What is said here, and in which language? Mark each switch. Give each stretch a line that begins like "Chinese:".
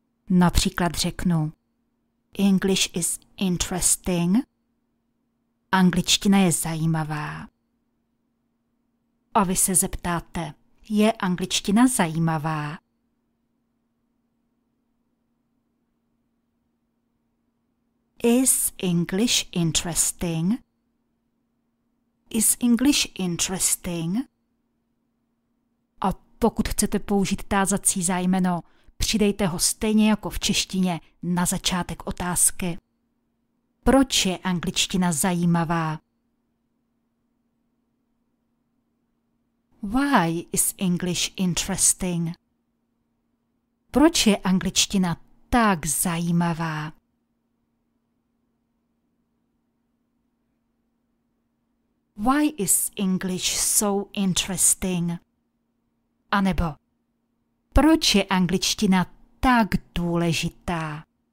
Czech: Například řeknu,
English: English is interesting.
Czech: Angličtina je zajímavá. A vy se zeptáte, je angličtina zajímavá?
English: Is English interesting? Is English interesting?
Czech: A pokud chcete použít tázací zájmeno, přidejte ho stejně jako v češtině na začátek otázky. Proč je angličtina zajímavá?
English: Why is English interesting?
Czech: Proč je angličtina tak zajímavá?
English: Why is English so interesting?
Czech: A nebo proč je angličtina tak důležitá?